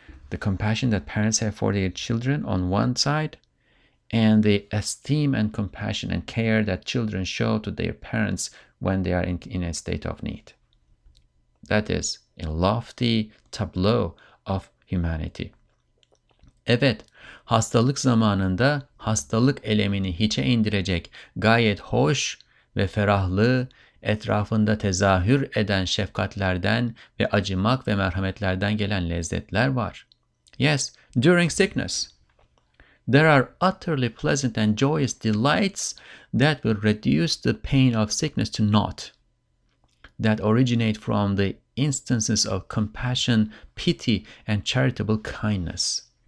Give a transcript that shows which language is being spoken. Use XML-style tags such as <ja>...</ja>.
<en>The compassion that parents have for their children on one side, and the esteem and compassion and care that children show to their parents when they are in a state of need. That is a lofty tableau of humanity.</en> <tr>Evet, hastalık zamanında hastalık elemini hiçe indirecek gayet hoş ve ferahlı etrafında tezahür eden şefkatlerden ve acımak ve merhametlerden gelen lezzetler var.</tr> <en>Yes, during sickness, there are utterly pleasant and joyous delights that will reduce the pain of sickness to naught, that originate from the instances of compassion, pity, and charitable kindness.</en>